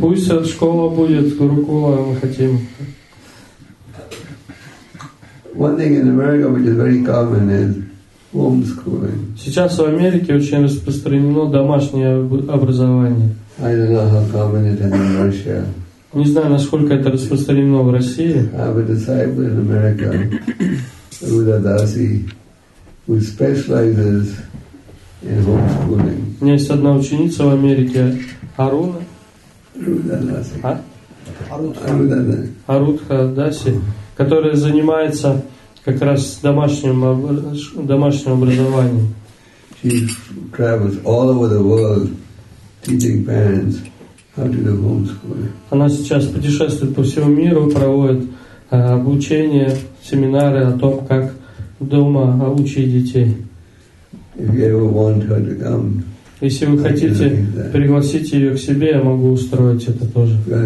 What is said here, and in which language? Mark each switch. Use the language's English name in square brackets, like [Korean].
[Russian] Пусть от школы будет Гурукула, мы хотим. [English] One thing in America which is very common is homeschooling. [Russian] Сейчас в Америке очень распространено домашнее образование. [English] I don't know how common it is in Russia. [Russian] Не знаю, насколько это распространено в России. [English] I have a disciple in America, Ruda Dasi, who specializes in homeschooling. [Russian] У меня есть одна ученица в Америке, Аруна. [English] Ruda Dasi. А? [Russian] Арудха Даси, которая занимается как раз домашним образованием. [English] She travels all over the world teaching parents how to do homeschooling. [Russian] Она сейчас путешествует по всему миру, проводит обучение, семинары о том, как дома учить детей. [English] If you ever want her to come, [Russian] если вы хотите пригласить ее к себе, я могу устроить это тоже.